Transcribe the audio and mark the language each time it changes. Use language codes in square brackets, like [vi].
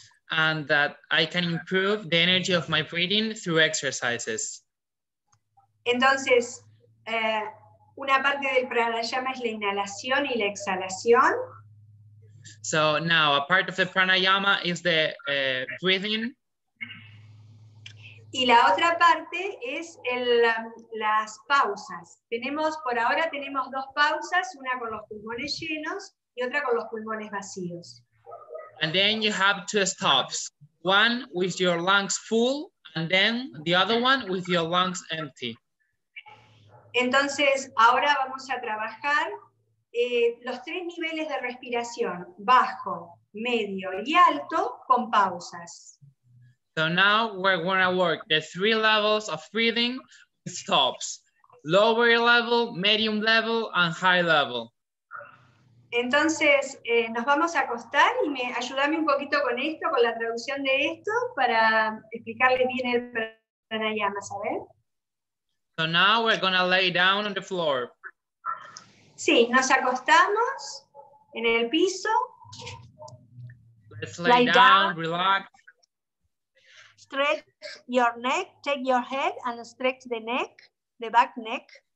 [en] And that I can improve the energy of my breathing through exercises. [es] Entonces, una parte del pranayama es la inhalación y la exhalación. [en] So now, a part of the pranayama is the breathing. [es] Y la otra parte es las pausas. Por ahora tenemos dos pausas, una con los pulmones llenos y otra con los pulmones vacíos. [en] And then you have two stops. One with your lungs full and then the other one with your lungs empty. [es] Entonces, ahora vamos a trabajar los tres niveles de respiración, bajo, medio y alto, con pausas. [en] So now we're going to work the three levels of breathing with stops. Lower level, medium level, and high level. [es] Entonces, nos vamos a acostar y ayúdame un poquito con esto, con la traducción de esto, para explicarle bien el pranayama, ¿sabes? [en] So now we're going to lay down on the floor. [es] Sí, nos acostamos en el piso. [en] Let's lay down, relax. Stretch your neck, take your head and stretch the neck, the back neck.